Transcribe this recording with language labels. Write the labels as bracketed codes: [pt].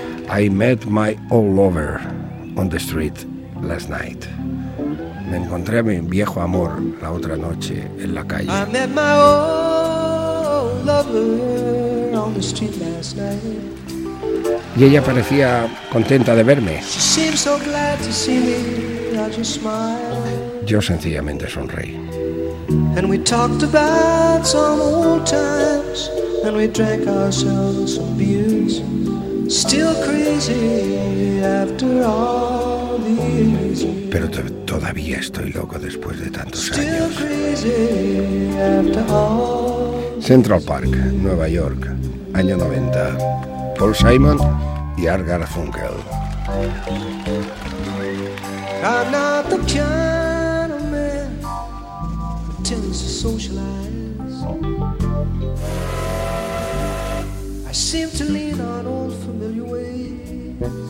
[en] I met my old lover on the street last night. [es] Me encontré a mi viejo amor la otra noche en la calle. [en] I met my old lover on the street last night. [es] Y ella parecía contenta de verme. [en] She seemed so glad to see me. I just smiled. [es] Yo sencillamente sonreí. [en] And we talked about some old times. And we drank ourselves some beers. Still crazy after all the years. [es] Pero todavía estoy loco después de tantos [en] still [es] años. [en] Crazy after all. [es] Central Park, Nueva York, año 90. Paul Simon y Art Garfunkel. [en] I'm not the kind of man who tends to socialize. I seem to lean on old familiar ways.